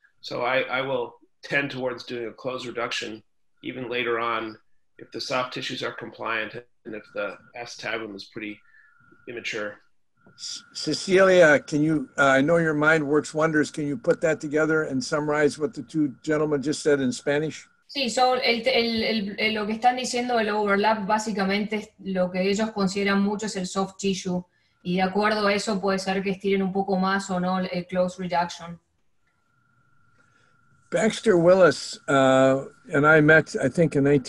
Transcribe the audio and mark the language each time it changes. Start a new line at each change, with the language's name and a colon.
English: So I will tend towards doing a close reduction even later on if the soft tissues are compliant and if the acetabulum is pretty immature. Cecilia, can you, I know your mind works wonders. Can you put that together and summarize what the two gentlemen just said in Spanish?
Spanish: Sí, so el lo que están diciendo del overlap, básicamente lo que ellos consideran mucho es el soft tissue, y de acuerdo a eso puede ser que estiren un poco más o no el close reduction.
English: Baxter Willis and I met, I think, in